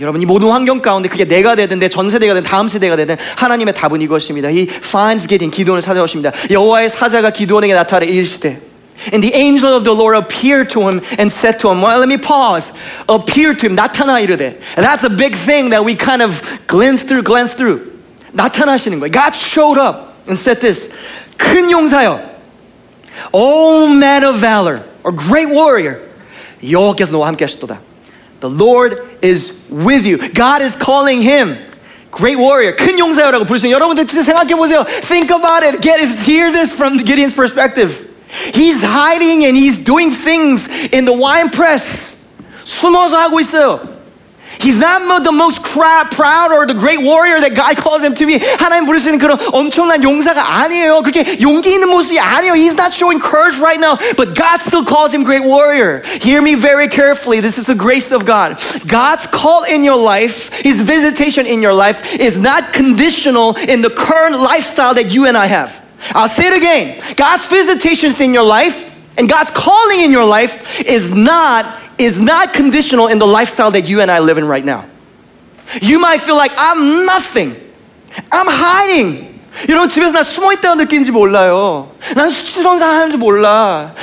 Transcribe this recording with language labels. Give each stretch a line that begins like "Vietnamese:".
Korean: 여러분, 이 모든 환경 가운데 그게 내가 되든 내 전 세대가 되든 다음 세대가 되든 하나님의 답은 이것입니다.
English: He finds Gideon,
Korean: 기드온을 찾아오십니다. 여호와의 사자가 기드온에게 나타나 이르시되.
English: And the angel of the Lord appeared to him and said to him, well, let me pause. Appeared to him,
Korean: 나타나 이르되.
English: And that's a big thing that we kind of glance through.
Korean: 나타나시는 거예요.
English: God showed up and said this.
Korean: 큰 용사여,
English: O man of valor, or great warrior,
Korean: 여호와께서 너와 함께 하시도다.
English: The Lord is with you. God is calling him. Great warrior.
Korean: 큰 용사여라고 부르시는 여러분들 진짜 생각해 보세요.
English: Think about it. Hear this from Gideon's perspective. He's hiding and he's doing things in the wine press.
Korean: 숨어서 하고 있어요.
English: He's not the most proud or the great warrior that God calls him to be.
Korean: 하나님 부르시는 그런 엄청난 용사가 아니에요. 그렇게 용기 있는 모습이 아니에요.
English: He's not showing courage right now, but God still calls him great warrior. Hear me very carefully. This is the grace of God. God's call in your life, his visitation in your life, is not conditional in the current lifestyle that you and I have. I'll say it again. God's visitations in your life and God's calling in your life is not conditional in the lifestyle that you and I live in right now. You might feel like I'm nothing. I'm hiding.
Korean: 여러분 집에서 나 숨어있다는 느낌인지 몰라요. 난 수치스러운 사람인지 몰라.